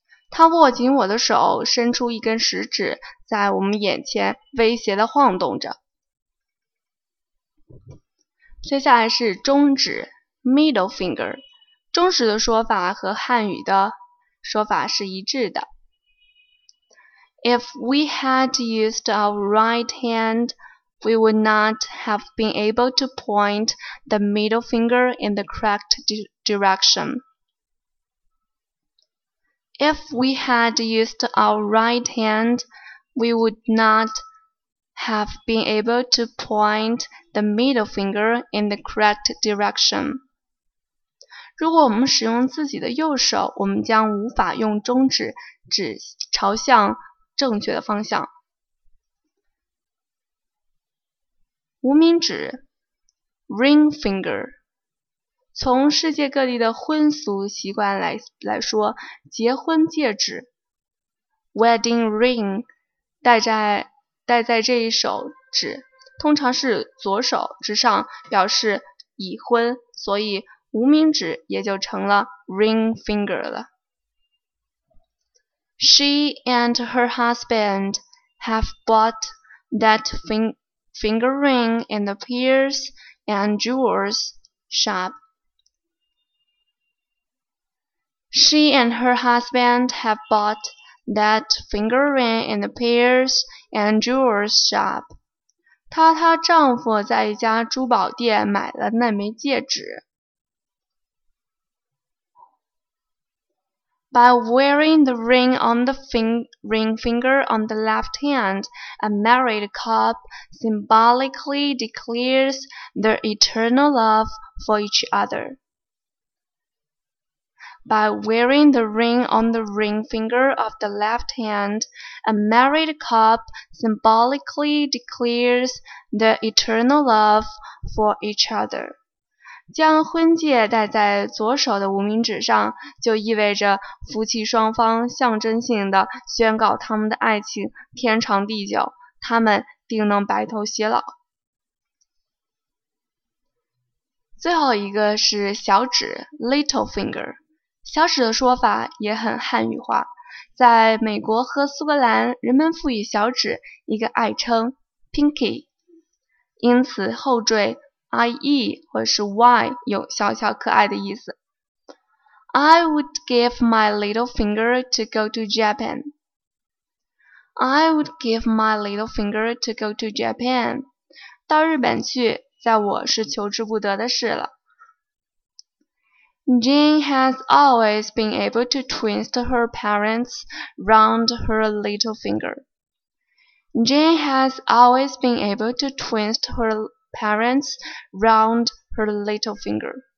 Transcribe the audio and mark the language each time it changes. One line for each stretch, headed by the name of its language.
Chinese: 他握紧我的手，伸出一根食指，在我们眼前威胁地晃动着。接下来是中指
English: middle finger.
Chinese: 中指的说法和汉语的说法是一致的。
English: If we had used our right hand, we would not have been able to point the middle finger in the correct direction. If we had used our right hand, we would not have been able to point the middle finger in the correct direction.
Chinese: 如果我们使用自己的右手，我们将无法用中指指朝向正确的方向。无名指
English: ring finger，
Chinese: 从世界各地的婚俗习惯来说，结婚戒指
English: wedding ring
Chinese: 戴在这一手指，通常是左手指上，表示已婚，所以无名指也就成了
English: ring finger
Chinese: 了。
English: She and her husband have bought that finger ring in the pearls and jewels shop. She and her husband have bought that finger ring in the pearls and jewels shop.
Chinese: 她丈夫在一家珠宝店买了那枚戒指。
English: By wearing the ring on the ring finger on the left hand, a married couple symbolically declares their eternal love for each other. By wearing the ring on the ring finger of the left hand, a married couple symbolically declares their eternal love for each other.
Chinese: 将婚戒戴在左手的无名指上，就意味着夫妻双方象征性地宣告他们的爱情天长地久，他们定能白头偕老。最后一个是小指 ,
English: little finger。
Chinese: 小指的说法也很汉语化，在美国和苏格兰，人们赋予小指一个爱称 ,pinky, 因此后缀IE 或是 Y 有小小可爱的意思。
English: I would give my little finger to go to Japan. I would give my little finger to go to Japan.
Chinese: 到日本去，在我是求之不得的事了。
English: Jane has always been able to twist her parents round her little finger. Jane has always been able to twist herParents round her little finger.